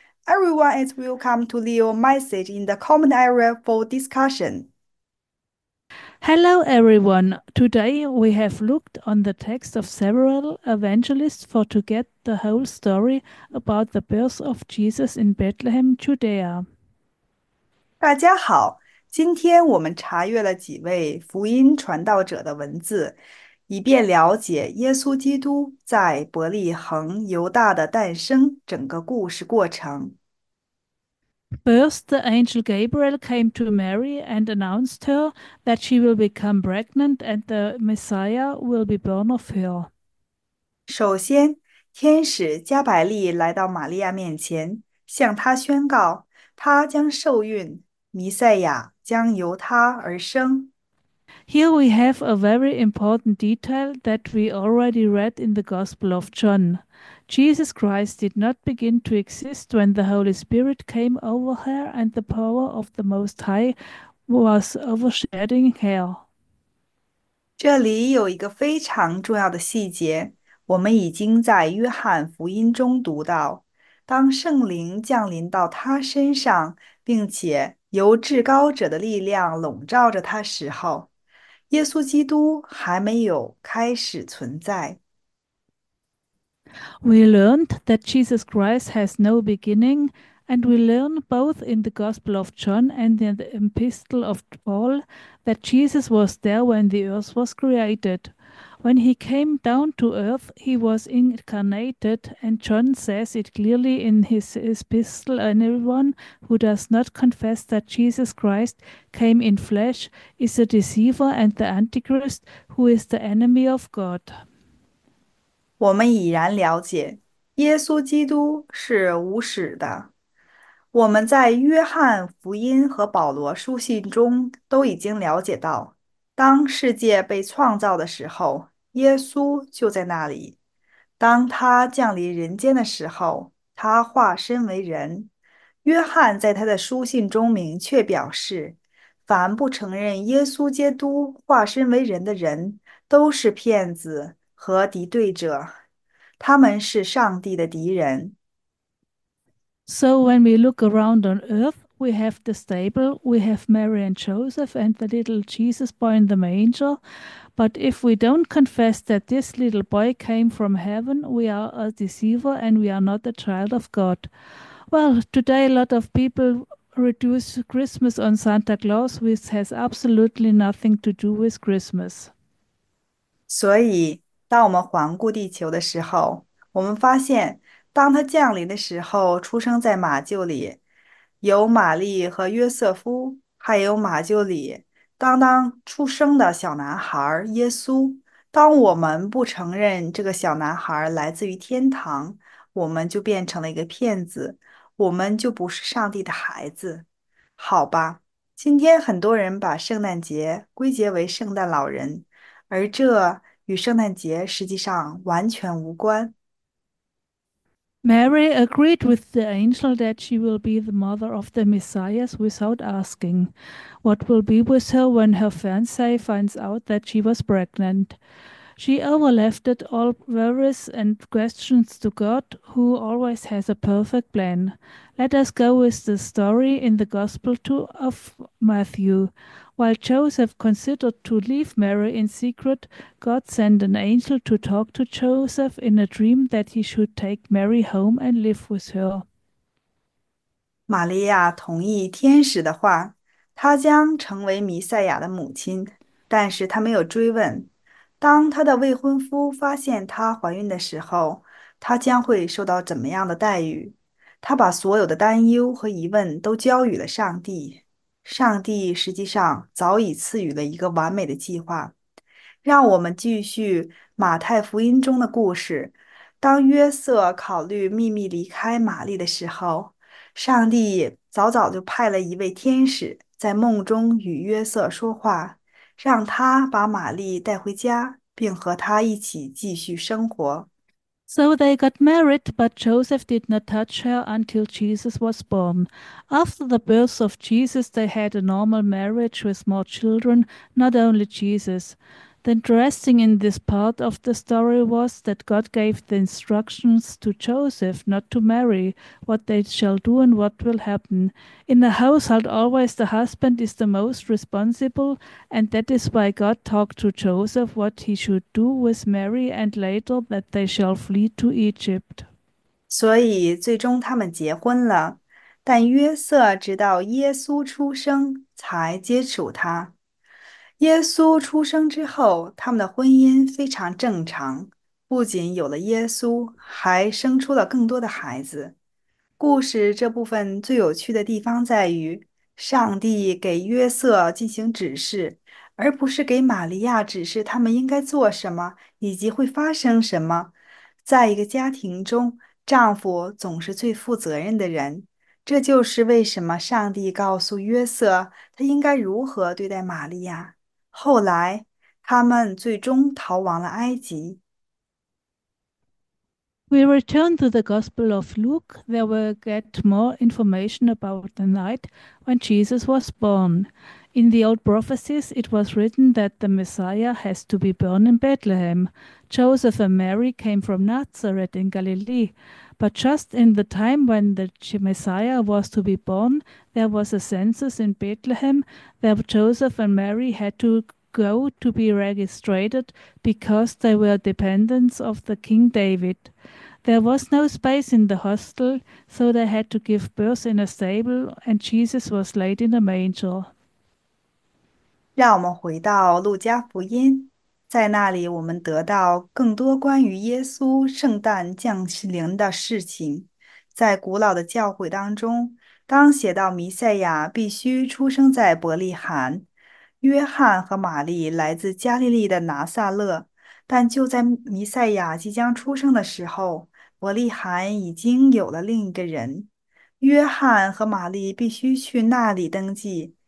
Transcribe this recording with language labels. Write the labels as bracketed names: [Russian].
[English] Everyone is welcome to leave a message in the comment area for discussion. Hello everyone. Today we have looked on the text of several evangelists for to get the whole story about the birth of Jesus in Bethlehem, Judea. [Chinese] 大家好，今天我们查阅了几位福音传道者的文字，以便了解耶稣基督在伯利恒犹大的诞生整个故事过程。 [English] First, the angel Gabriel came to Mary and announced her that she will become pregnant and the Messiah will be born of her. [Chinese] 首先，天使加百利来到玛利亚面前，向她宣告，她将受孕。弥赛亚将由他而生。 [English] Here we have a very important detail that we already read in the Gospel of John. Jesus Christ did not begin to exist when the Holy Spirit came over her and the power of the Most High was overshadowing her. [Chinese] 这里有一个非常重要的细节，我们已经在约翰福音中读到，当圣灵降临到他身上，并且由至高者的力量笼罩着他时候，耶稣基督还没有开始存在。 [English] We learned that Jesus Christ has no beginning, and we learn both in the Gospel of John and in the Epistle of Paul that Jesus was there when the earth was created. When he came down to earth, he was incarnated, and John says it clearly in his epistle. Anyone who does not confess that Jesus Christ came in flesh is a deceiver and the Antichrist, who is the enemy of God. [Chinese] 我们已然了解，耶稣基督是无始的。我们在约翰福音和保罗书信中都已经了解到，当世界被创造的时候，耶稣就在那里；当他降临人间的时候，他化身为人。约翰在他的书信中明确表示，凡不承认耶稣基督化身为人的人，都是骗子。和敌对者，他们是上帝的敌人。 [English] So when we look around on earth, we have the stable, we have Mary and Joseph and the little Jesus boy in the manger. But if we don't confess that this little boy came from heaven, we are a deceiver and we are not a child of God. Well, today a lot of people reduce Christmas on Santa Claus, which has absolutely nothing to do with Christmas. [Chinese] 所以，当我们环顾地球的时候，我们发现，当他降临的时候，出生在马厩里，有玛丽和约瑟夫，还有马厩里刚刚出生的小男孩耶稣。当我们不承认这个小男孩来自于天堂，我们就变成了一个骗子，我们就不是上帝的孩子。好吧，今天很多人把圣诞节归结为圣诞老人，而这与圣诞节实际上完全无关。 [English] Mary agreed with the angel that she will be the mother of the Messiah without asking what will be with her when her fiancé finds out that she was pregnant. She overleft it all worries and questions to God, who always has a perfect plan. Let us go with the story in the Gospel too of Matthew. While Joseph considered to leave Mary in secret, God sent an angel to talk to Joseph in a dream that he should take Mary home and live with her. [Chinese] 玛利亚同意天使的话，她将成为弥赛亚的母亲。但是她没有追问，当她的未婚夫发现她怀孕的时候，她将会受到怎么样的待遇？她把所有的担忧和疑问都交予了上帝。上帝实际上早已赐予了一个完美的计划。让我们继续马太福音中的故事。当约瑟考虑秘密离开玛丽的时候，上帝早早就派了一位天使在梦中与约瑟说话，让他把玛丽带回家，并和他一起继续生活。 [English] So they got married, but Joseph did not touch her until Jesus was born. After the birth of Jesus, they had a normal marriage with more children, not only Jesus. The interesting in this part of the story was that God gave the instructions to Joseph not to marry, what they shall do and what will happen. In a household, always the husband is the most responsible, and that is why God talked to Joseph what he should do with Mary and later that they shall flee to Egypt. [Chinese] 所以最终他们结婚了，但约瑟直到耶稣出生才接触他。耶稣出生之后，他们的婚姻非常正常，不仅有了耶稣，还生出了更多的孩子。故事这部分最有趣的地方在于，上帝给约瑟进行指示，而不是给玛利亚指示他们应该做什么，以及会发生什么。在一个家庭中，丈夫总是最负责任的人，这就是为什么上帝告诉约瑟他应该如何对待玛利亚。后来，他们最终逃亡了埃及。 [English] We return to the Gospel of Luke. There we get more information about the night when Jesus was born. In the old prophecies, it was written that the Messiah has to be born in Bethlehem. Joseph and Mary came from Nazareth in Galilee. But just in the time when the Messiah was to be born, there was a census in Bethlehem where Joseph and Mary had to go to be registered because they were dependents of the King David. There was no space in the hostel, so they had to give birth in a stable, and Jesus was laid in a manger. [Chinese] 让我们回到路加福音，在那里我们得到更多关于耶稣圣诞降临的事情。在古老的教会当中，当写到弥赛亚必须出生在伯利翰，约翰和玛丽来自加利利的拿撒勒，但就在弥赛亚即将出生的时候，伯利翰已经有了另一个人，约翰和玛丽必须去那里登记。